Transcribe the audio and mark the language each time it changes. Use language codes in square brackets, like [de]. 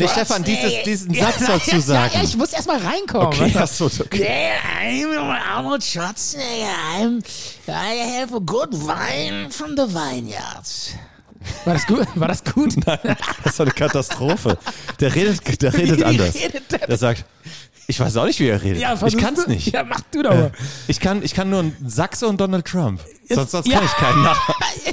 [de] Nee, Stefan, diesen Satz dazu sagen. Ja, ich muss erstmal reinkommen. Okay, okay. [en] Yeah, I'm Arnold Schwarzenegger. I have a good wine from the vineyards. [de] War das gut? Nein, das war eine Katastrophe. Der redet anders. Der sagt, ich weiß auch nicht, wie er redet. Ja, ich kann's nicht. Ja, mach du doch mal. Ich kann nur einen Sachse und Donald Trump. Sonst kann ich keinen nachmachen.